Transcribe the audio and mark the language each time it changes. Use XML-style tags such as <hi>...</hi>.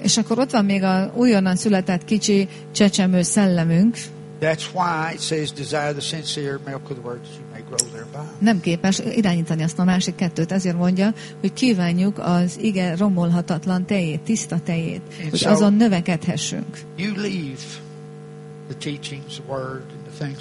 <hu>És akkor ott van még a újonnan született kicsi csecsemő szellemünk.</hu> <en>That's why it says desire the sincere milk of the word that you may grow thereby.</en> <hu>Nem képes irányítani azt a másik kettőt, ezért mondja, hogy kívánjuk az ige romolhatatlan tejét, tiszta tejét, hogy azon növekedhessünk.</hu> <en>You leave the teachings, the word, and the</en>